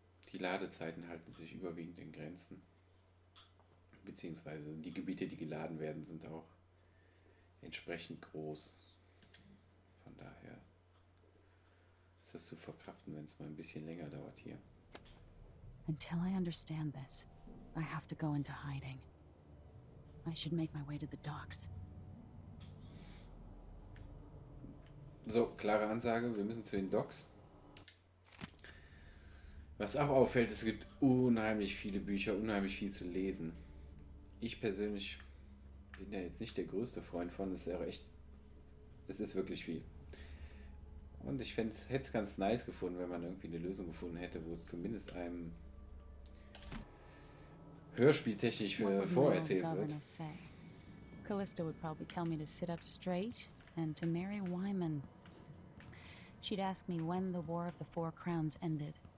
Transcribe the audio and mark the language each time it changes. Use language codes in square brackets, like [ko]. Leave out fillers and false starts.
[de] Die Ladezeiten halten sich überwiegend in Grenzen. Beziehungsweise die Gebiete, die geladen werden, sind auch entsprechend groß. Von daher das zu verkraften, wenn es mal ein bisschen länger dauert hier. [en] Until I understand this, I have to go into hiding. I should make my way to the docks. [de] So, klare Ansage, wir müssen zu den Docks. Was auch auffällt, es gibt unheimlich viele Bücher, unheimlich viel zu lesen. Ich persönlich bin ja jetzt nicht der größte Freund von, das ist ja echt, es ist wirklich viel. Und ich hätte es ganz nice gefunden, wenn man irgendwie eine Lösung gefunden hätte, wo es zumindest einem hörspieltechnisch vorerzählt wird. [en] Callista would probably tell me to sit up straight and to marry Wyman. She'd ask me when the War of the Four Crowns ended.